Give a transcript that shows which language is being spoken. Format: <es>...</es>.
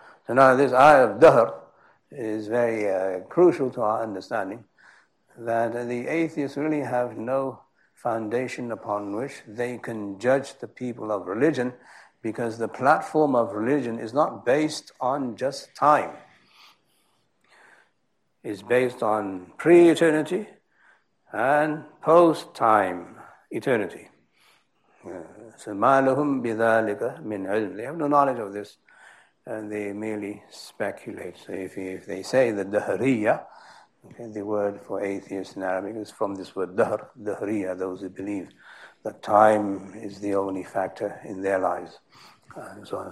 <en>So now this ayah of Dahr is very crucial to our understanding, that the atheists really have no foundation upon which they can judge the people of religion, because the platform of religion is not based on just time. It's based on pre-eternity and post-time eternity.</en> <ar>So مَا لَهُمْ بِذَٰلِكَ مِنْ عِلْمٍ.</ar> <en>They have no knowledge of this, and they merely speculate. So if they say the Dahriya, okay, the word for atheist in Arabic is from this word Dahr, Dahriya, those who believe that time is the only factor in their lives, and so on.</en>